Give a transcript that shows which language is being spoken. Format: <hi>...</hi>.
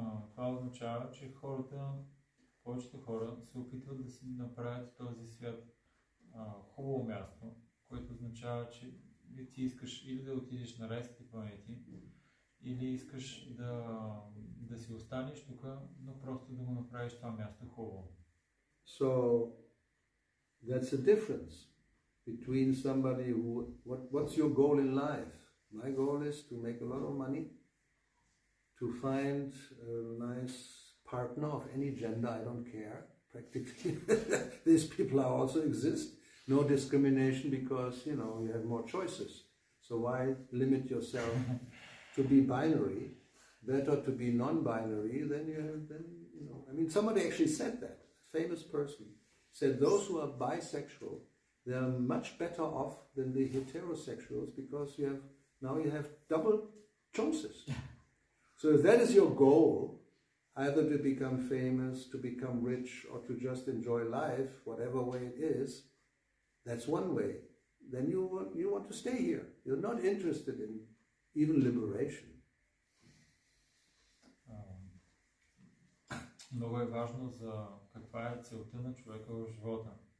<bg>Това означава, че хората, повечето хора се опитват да си направят този свят хубаво място, което означава, че ти искаш или да отидеш на райските планети, или искаш да, да си останеш тук, но просто да го направиш това място хубаво.</bg> <en>So that's the difference between somebody who what's your goal in life? My goal is to make a lot of money, to find a nice partner of any gender, I don't care, practically. These people also exist. No discrimination because, you know, you have more choices. So why limit yourself to be binary? Better to be non-binary than you have, then, you know. I mean, somebody actually said that. A famous person said those who are bisexual, they are much better off than the heterosexuals because you have, now you have double choices. So if that is your goal, either to become famous, to become rich, or to just enjoy life, whatever way it is, that's one way. Then you want to stay here. You're not interested in even liberation.</en> <bg>Много е важно за каква е целта на човека в живота.</bg>